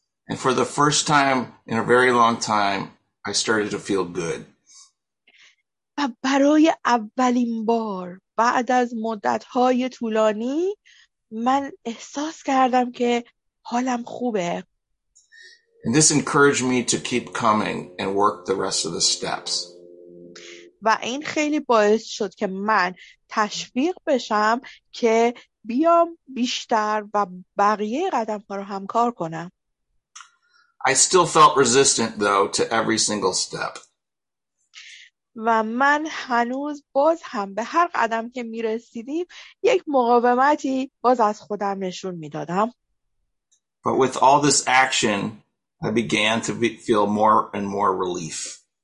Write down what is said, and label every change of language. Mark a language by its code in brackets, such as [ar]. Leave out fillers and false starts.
[en] And for the first time in a very long time, I started to feel good. [fa] و برای اولین بار بعد از مدت‌های طولانی من احساس کردم که حالم خوبه. [en] And this encouraged me to keep coming and work the rest of the steps. [fa] و این خیلی باعث شد که من تشویق بشم که بیام بیشتر و بقیه قدم‌ها رو هم کار کنم. [en] I still felt resistant though to every single step. [fa] و من هنوز باز هم به هر قدم که می‌رسیدیم یک مقاومتی باز از خودم نشون می‌دادم. [en] But with all this action, I began to feel more and more relief.